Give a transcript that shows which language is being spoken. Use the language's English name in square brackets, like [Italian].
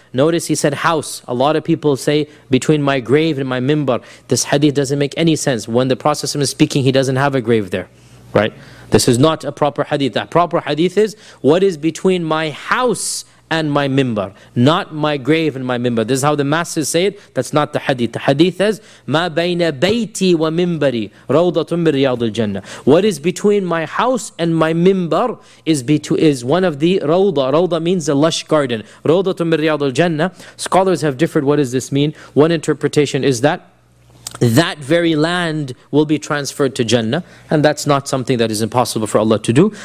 [English] Notice he said house. A lot of people say between my grave and my mimbar. This hadith doesn't make any sense. When the Prophet ﷺ is speaking, he doesn't have a grave there, right? This is not a proper hadith. That proper hadith is, what is between my house and my mimbar? Not my grave and my mimbar. This is how the masses say it. That's not the hadith. [Arabic] The hadith is, مَا بَيْنَ بَيْتِي وَمِمْبَرِي رَوْضَةٌ مِنْ رِيَاضِ الْجَنَّةِ. [English] What is between my house and my mimbar is one of the rawda. Rawda means a lush garden. [Arabic] رَوْضَةٌ مِنْ رِيَاضِ الْجَنَّةِ. [English] Scholars have differed. What does this mean? One interpretation is that very land will be transferred to Jannah, and that's not something that is impossible for Allah to do.